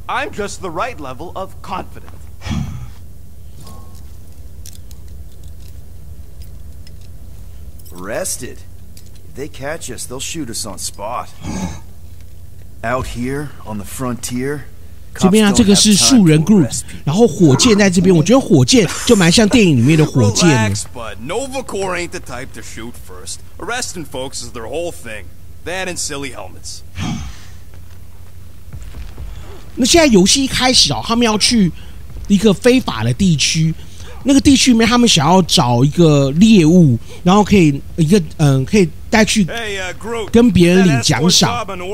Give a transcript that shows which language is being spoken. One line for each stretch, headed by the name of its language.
English: I'm just the right level of confident. Arrested? If they catch us, they'll shoot us on spot. Out here on the frontier.
Chinese: 这边啊，这个是树人 Groot， 然后火箭在这边，我觉得火箭就蛮像电影里面的火箭的。
English: Relax, bud. Nova Corps ain't the type to shoot first. Arresting folks is their whole thing. That and silly helmets.
Chinese: 那现在游戏一开始哦，他们要去一个非法的地区，那个地区里面他们想要找一个猎物，然后可以一个可以带去跟别人领奖赏。